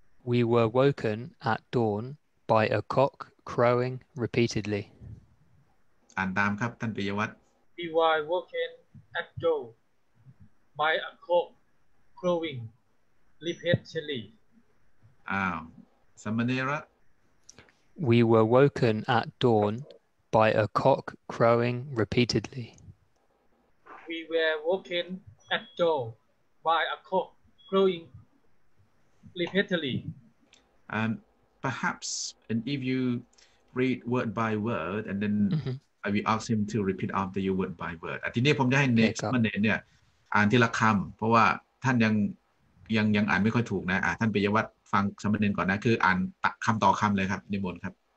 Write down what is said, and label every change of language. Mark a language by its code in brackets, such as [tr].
[en] We were woken at dawn by a cock crowing repeatedly. [th] อ่านตามครับ ท่านปิยวัฒน์ [en] We were woken at dawn by a cock crowing repeatedly. [th] อ้าว Samanera [en] We were woken at dawn by a cock crowing repeatedly. We were woken at dawn by a cock crowing repeatedly. Perhaps, and if you read word by word, and then I will ask him to repeat after you word by word. [th] ทีนี้ผมจะให้เนกสมเนนเนี่ยอ่านทีละคำเพราะว่าท่านยังอ่านไม่ค่อยถูกนะ ท่านปิยวัฒน์ฟังสมเนนก่อนนะคืออ่านคำต่อคำเลยครับนิมนต์ครับ